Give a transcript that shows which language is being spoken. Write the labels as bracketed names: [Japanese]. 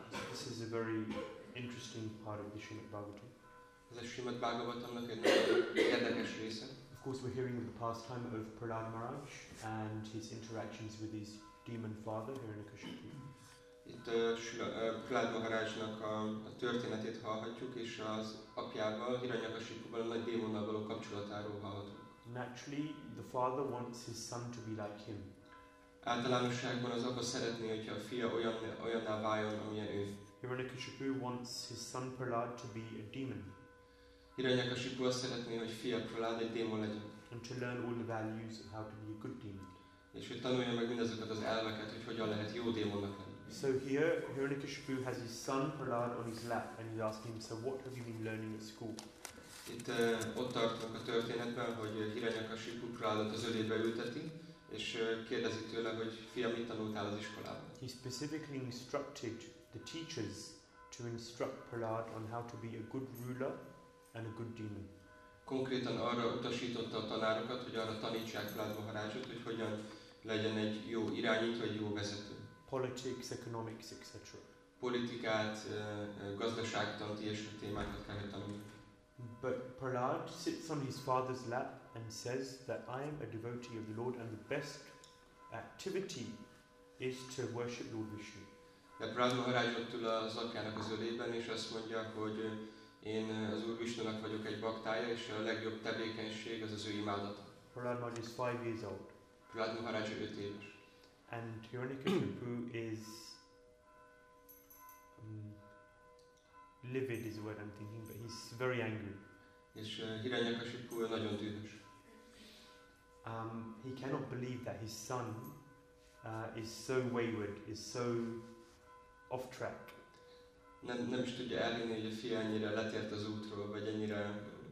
[English] This is a very interesting part of the Srimad Bhagavatam. [Hungarian] Ez a Srimad Bhagavatamnak egy nagyon érdekes része. [English] Of course, we're hearing the pastime of Prahlad Maharaj and his interactions with his demon father here in Kashyapu. [Hungarian] Itt Prahlad Maharajnak a történetét hallhatjuk, és az apjával, Hiranyakasipuval, a nagy démonnal való kapcsolatáról hallhatunk. [English] Naturally, the father wants his son to be like him. [Hungarian] Általánosságban az apa szeretné, hogyha a fia olyanná váljon, amilyen ő. [English] Hiranyakasipu wants his son Prahlad to be a demon. [Hungarian] Hiranyakasipu azt szeretné, hogy fia Prahlad egy démon legyen. [English] And to learn all the values of how to be a good demon. [Hungarian] És hogy tanulja meg mindezeket az elveket, hogy hogyan lehet jó démonnak lenni. [English] So here, Hiranyakasipu has his son Prahlad on his lap, and he's asking him, so what have you been learning at school? [Hungarian] Itt ott tartunk a történetben, hogy Hiranyakasipu Prahladot az ölébe ülteti, és kérdezi tőle, hogy fia, mit tanultál az iskolában. [English] He specifically instructed the teachers to instruct Prahlad on how to be a good ruler, and a good demon. [Hungarian] Konkrétan arra utasította a tanárokat, hogy arra tanítsák Prahlad Maharajot, hogy hogyan legyen egy jó irányító, egy jó vezető. [English] Politics, economics, etc. [Hungarian] Politikát, gazdaságtant, ilyesmi témákat kell tanulni. [English] But Prahlad sits on his father's lap and says that I am a devotee of the Lord and the best activity is to worship Lord Vishnu. [Hungarian] De Prahlad Maharaj ott ül az apjának az ölében és azt mondja, hogy én az Úr Vishnunak vagyok egy baktája, és a legjobb tevékenység az az ő imádata. [English] Prahlad Maharaj is 5 years old. [Hungarian] Prahlad Maharaj 5 éves. [English] And Hiranyakasipu is livid is the word I'm thinking, but he's very angry. [Hungarian] És Hiranyakasipu nagyon dühös. [English] He cannot believe that his son is so wayward, is so off track. [Hungarian] Nem is tudja elhinni, hogy a fia ennyire letért az útról, vagy ennyire